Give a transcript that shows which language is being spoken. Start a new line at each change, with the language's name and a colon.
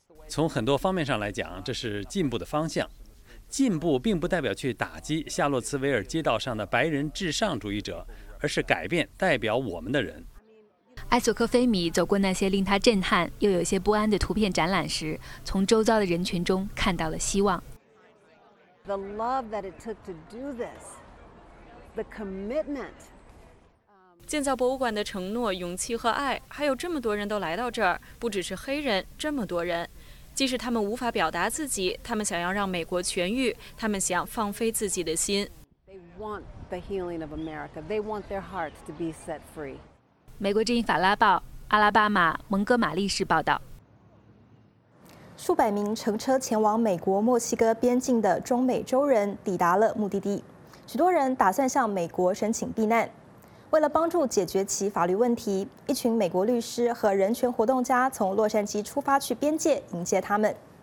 Chinese: 从很多方面上来讲，这是进步的方向。进步并不代表去打击夏洛茨维尔街道上的白人至上主义者，而是改变代表我们的人。艾索克菲米走过那些令他震撼又有些不安的图片展览时，从周遭的人群中看到了希望。
English: The love that it took to do this, the commitment.
Chinese: 建造博物馆的承诺、勇气和爱，还有这么多人都来到这儿，不只是黑人，这么多人，即使他们无法表达自己，他们想要让美国痊愈，他们想放飞自己的心。
English: They want the healing of America. They want their hearts to be set free.
Chinese: 美国之音法拉报，阿拉巴马蒙哥马利市报道。数百名乘车前往美国墨西哥边境的中美洲人抵达了目的地，许多人打算向美国申请避难。为了帮助解决其法律问题，一群美国律师和人权活动家从洛杉矶出发去边界迎接他们。